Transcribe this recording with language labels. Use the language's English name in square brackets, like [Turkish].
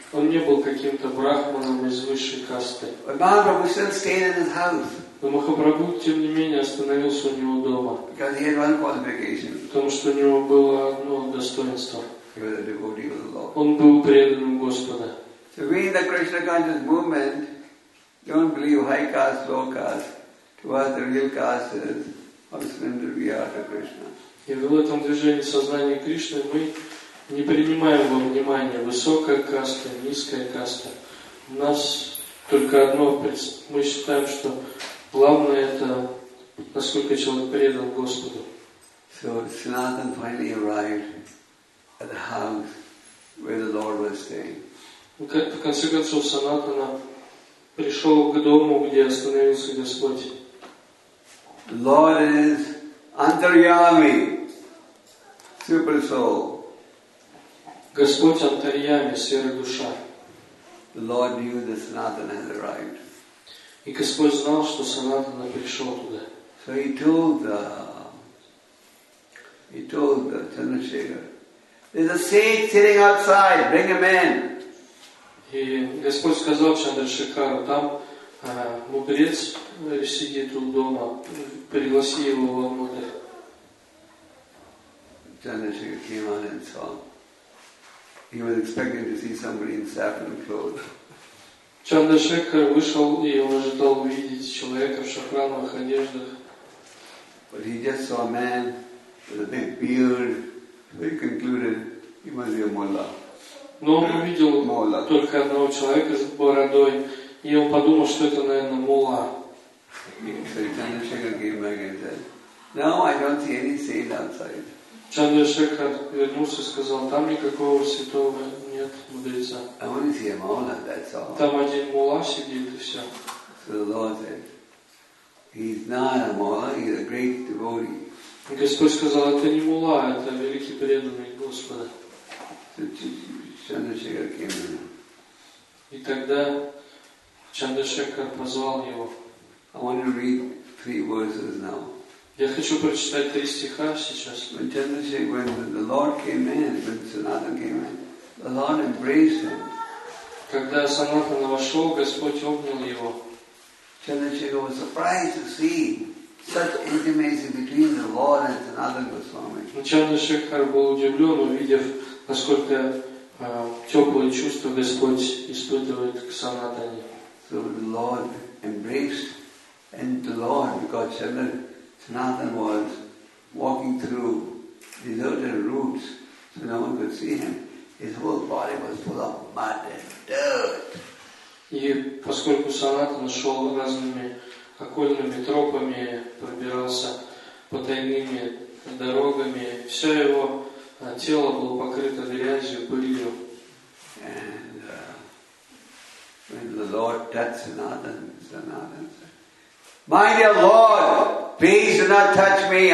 [Russian] Он не был каким-то брахманом из высшей касты. [English] But Mahaprabhu still stayed in his house. [Russian] Но Махапрабху, тем не менее, остановился у него дома. [English] Because he had one qualification. [Russian] Потому что у него было одно достоинство. [English] He was a devotee of the Lord. [Russian] Он был преданным Господа. [English] So we in the Krishna conscious movement don't believe high caste, low caste. What the real caste is of surrender we are to Krishna. [Russian] И в этом движении сознания Кришны мы не принимаем во внимание высокая каста, низкая каста. У нас только одно, мы считаем, что главное это Насколько человек предан Господу. [English] So Sanatan finally arrived at the house where the Lord was staying. [Russian] В конце концов, Санатана пришел к дому, где остановился Господь. [English] Lord is Antaryami, super soul. [Russian] Господь Антарьями, сверх душа. [English] The Lord knew that Sanatana had arrived. [Russian] И Господь знал, что Санатана пришел туда. [English] So he told the Chandrasekhar, there's a sage sitting outside, bring him in. [Russian] И Господь сказал Чандрашекару, там мудрец сидит у дома, пригласи его во внутрь. [English] Чандрашекар came out and saw him. He was expecting to see somebody in saffron clothes. [Russian] Чандрашекар вышел и он ожидал увидеть человека в шафрановых одеждах. [English] But he just saw a man with a big beard. So he concluded he must be a mullah. [Russian] Но он увидел Мула. Только одного человека с бородой, и он подумал, что это, наверное, мулла. [English] No, I don't see any saint outside. [Russian] Чандрашекар вернулся и сказал, там никакого святого нет, мудреца. [English] I only see a mullah, that's all. [Russian] Там один мулла сидит, и все. [English] So the Lord said, he's not a mullah, he's a great devotee. [Russian] И Господь сказал, это не мулла, это великий преданный Господа. [English] Чандрашекар came in. [Russian] И тогда Чандрашекар позвал его. [English] I want to read three verses now. [Russian] Я хочу прочитать три стиха сейчас. [English] When Chandrasekhar, when the Lord came in, when Sanatana came in, the Lord embraced him. [Russian] Когда Санатана вошел, Господь обнял его. [English] Chandrasekhar was surprised to see such intimacy between the Lord and Sanatana Goswami. [Russian] Чандрашекар был удивлен, увидев, насколько теплые чувства Господь испытывает к Санатане. [English] So the Lord embraced, and the Lord, because Sanatana was walking through deserted roots, so no one could see him. His whole body was full of mud and dirt. [Russian] И поскольку Санатана шел разными окольными тропами, пробирался по тайным дорогам, все его тело было покрыто грязью, пылью. [English] And when the Lord touched Sanatana said, "My dear Lord, please do not touch me.